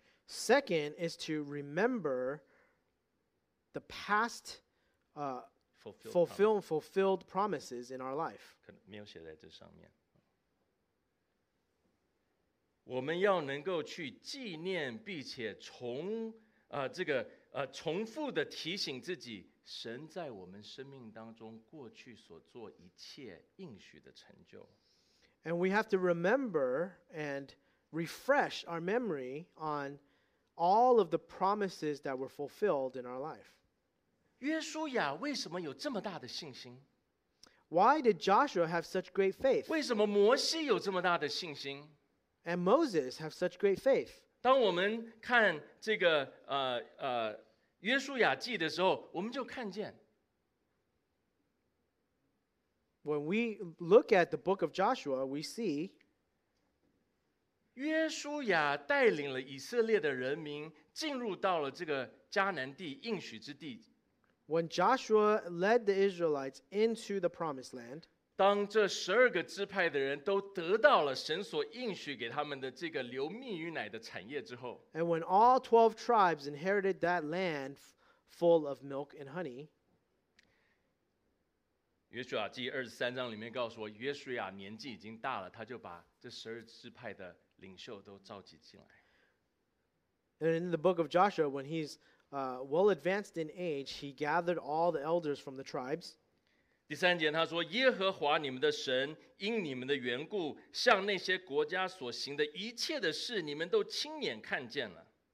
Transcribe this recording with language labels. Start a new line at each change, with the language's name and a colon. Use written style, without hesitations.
English: Second is to remember the past fulfilled promises in our life.
Chinese: 可能没有写在这上面。我们要能够去纪念，并且重这个重复的提醒自己。神在我们生命当中过去所做一切应许的成就。
English: And we have to remember and refresh our memory on all of the promises that were fulfilled in our life.
Chinese: 约书亚为什么有这么大的信心？
English: Why did Joshua have such great faith?
Chinese: 为什么摩西有这么大的信心？
English: And Moses have such great faith.
Chinese: 当我们看这个约书亚记的时候，我们就看见。
English: When we look at the book of Joshua, we see
Chinese: 约书亚带领了以色列的人民进入到了这个迦南地应许之地。
English: When Joshua led the Israelites into the promised land,
Chinese: 当这十二个支派的人都得到了神所应许给他们的这个流蜜与奶的产业之后，
English: And when all 12 tribes inherited that land full of milk and honey,
Chinese: 约书亚记二十三章里面告诉我，约书亚年纪已经大了，他就把这十二支派的领袖都召集进来。
English: And in the book of Joshua, when he's well advanced in age, he gathered all the elders from the tribes.
Chinese: 第三节他说，耶和华你们的神因你们的缘故向那些国家所行的一切的事，你们都亲眼看见了。